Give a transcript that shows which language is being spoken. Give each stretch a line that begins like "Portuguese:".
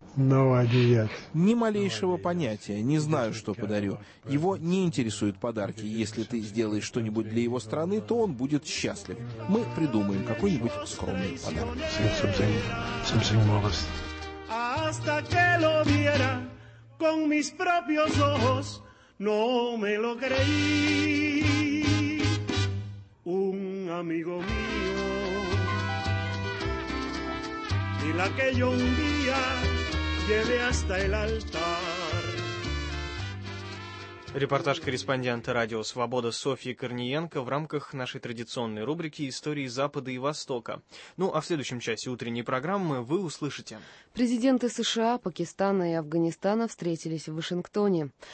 Russian: Ни малейшего понятия. Не знаю, что подарю. Его не интересуют подарки. Если ты сделаешь что-нибудь для его страны, то он будет счастлив. Мы придумаем какой-нибудь скромный подарок.
Spanish: No me lo creí, un amigo mío, y la que yo un día llevé hasta el altar.
Russian: Репортаж корреспондента Радио Свобода Софьи Корниенко в рамках нашей традиционной рубрики «Истории Запада и Востока». Ну, а в следующем части утренней программы вы услышите. Президенты США, Пакистана и Афганистана встретились в Вашингтоне.